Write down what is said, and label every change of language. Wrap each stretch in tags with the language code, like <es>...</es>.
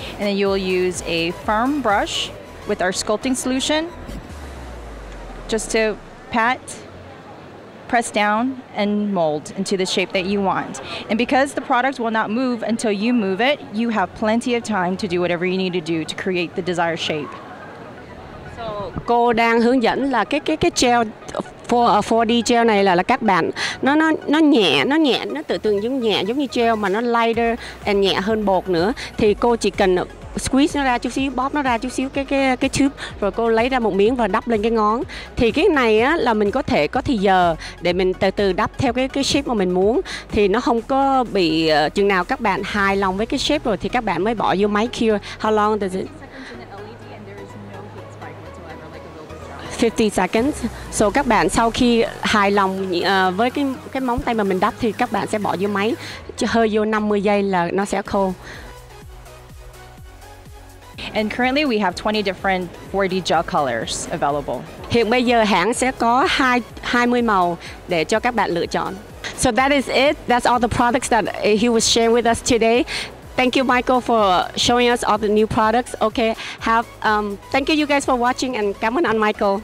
<en>And then you will use a firm brush with our sculpting solution just to pat, press down, and mold into the shape that you want. And because the product will not move until you move it, you have plenty of time to do whatever you need to do to create the desired shape.</en> <vi>So, cô đang hướng dẫn là cái gel for a 4D gel này là các bạn nó nhẹ nó tự tưởng giống như gel mà nó</vi> <en>lighter and</en> <vi>nhẹ hơn bột nữa thì cô chỉ cần squeeze nó ra chút xíu, bóp nó ra chút xíu cái tube rồi cô lấy ra một miếng và đắp lên cái ngón thì cái này á là mình có thể có thì giờ để mình từ từ đắp theo cái shape mà mình muốn thì nó không có bị chừng nào các bạn hài lòng với cái shape rồi thì các bạn mới bỏ vô máy cure.</vi> <en>How long does it 50 seconds.</en> <vi>So các bạn sau khi hài lòng với cái móng tay mà mình đắp thì các bạn sẽ bỏ vô máy, hơi vô 50 giây là nó sẽ khô.</vi> <en>And currently we have 20 different 4D gel colors available.</en> <vi>Hiện bây giờ hãng sẽ có 20 màu để cho các bạn lựa chọn.</vi> <en>So that is it. That's all the products that he was sharing with us today. Thank you, Michael, for showing us all the new products. Okay, thank you, you guys, for watching, and</en> <vi>cảm ơn anh Michael.</vi>